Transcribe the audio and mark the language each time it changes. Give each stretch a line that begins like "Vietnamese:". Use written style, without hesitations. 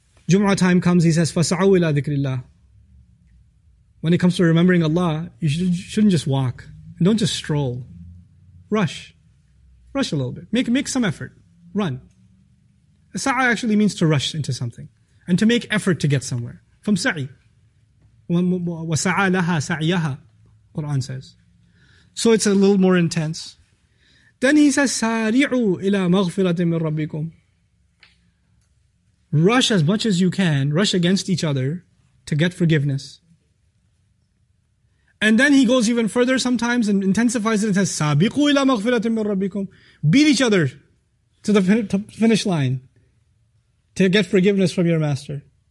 English: Jum'ah time comes, he says,
Arabic: فَسَعُوا إِلَىٰ ذِكْرِ اللَّهِ.
English: When it comes to remembering Allah, you shouldn't just walk. Don't just stroll. Rush a little bit. Make some effort. Run. Sa'a actually means to rush into something and to make effort to get somewhere. From sa'i.
Arabic: وَسَعَى لَهَا سَعْيَهَا
English: Quran says. So it's a little more intense. Then he says,
Arabic: سَارِعُوا إِلَىٰ مَغْفِرَةٍ مِّن رَبِّكُمْ.
English: Rush as much as you can. Rush against each other to get forgiveness. And then he goes even further sometimes and intensifies it and says,
Arabic: سَابِقُوا إِلَىٰ مَغْفِرَةٍ مِّن رَبِّكُمْ.
English: Beat each other to the finish line to get forgiveness from your master.